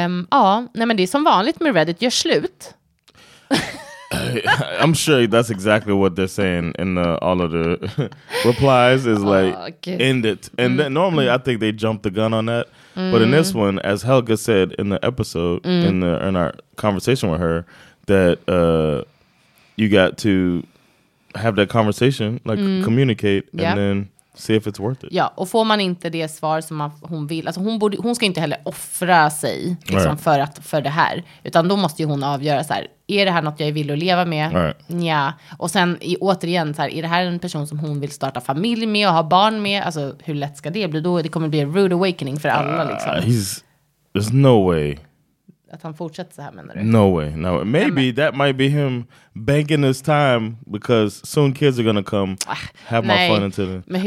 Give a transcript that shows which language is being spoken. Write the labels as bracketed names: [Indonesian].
[Swedish] Ja, nej men det är som vanligt med Reddit. Gör slut. [English] I'm sure that's exactly what they're saying in the, all of the replies is like, end it. And then normally I think they jump the gun on that. But in this one, as Helga said in the episode, in our conversation with her, that you got to have that conversation, like communicate, and then see if it's worth it. [Swedish] Ja, och får man inte det svar som hon vill, alltså hon ska inte heller offra sig liksom, för det här, utan då måste ju hon avgöra så här, är det här något jag vill att leva med? Ja. Och sen återigen så här, är det här en person som hon vill starta familj med och ha barn med? Alltså hur lätt ska det bli då? Det kommer bli en [English] rude awakening [Swedish] för alla liksom. [English] There's no way. [Swedish] Att han fortsätter så här, menar du? [English] No way, no way. Maybe that might be him banking his time because soon kids are gonna come have my fun into them.